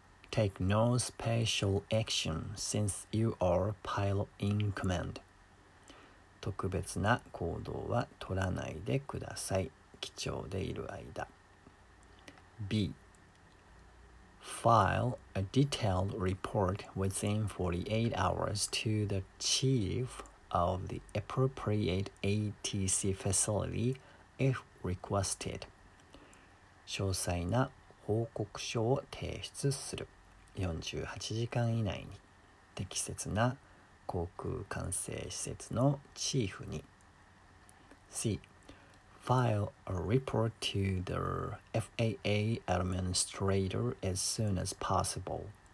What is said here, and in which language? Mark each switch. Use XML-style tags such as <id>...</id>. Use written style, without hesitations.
<en>Take no special action since you are pilot in command.</en> <ja>特別な行動は取らないでください。機長でいる間。B.</ja> <en>File a detailed report within 48 hours to the chief of the appropriate ATC facility if requested.</en> <ja>詳細な報告書を提出する。 48時間以内に適切な航空管制施設のチーフに。</ja> <en>C. File a report to the FAA administrator as soon as possible.</en>